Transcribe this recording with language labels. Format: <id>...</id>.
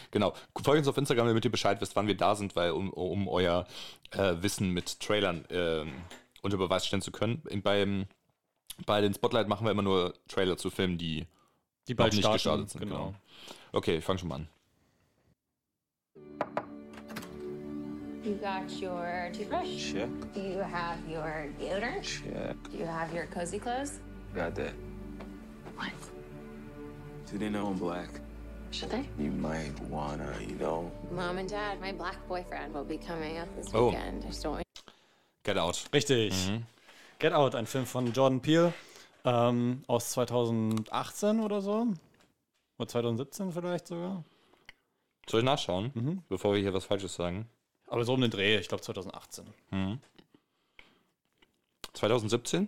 <de>Genau, folgt uns auf Instagram, damit ihr Bescheid wisst, wann wir da sind, weil um euer Wissen mit Trailern unter Beweis stellen zu können. Bei den Spotlight machen wir immer nur Trailer zu Filmen, die bald noch nicht starten, gestartet sind. Genau. Okay, ich fange schon mal an.</de> <en>You got your toothbrush? Check. Do you have your deodorant? Check. Do you have your cozy clothes? Got that. What? Do they know I'm black? Should they? You might wanna, you know. Mom and Dad, my black boyfriend will be coming up this weekend. I just don't want... Get Out.</en> <de>Richtig. Mm-hmm. Get Out, ein Film von Jordan Peele aus 2018 oder so. Oder 2017 vielleicht sogar. Soll ich nachschauen, bevor wir hier was Falsches sagen? Aber so um den Dreh, ich glaube 2018. Hm. 2017?</de>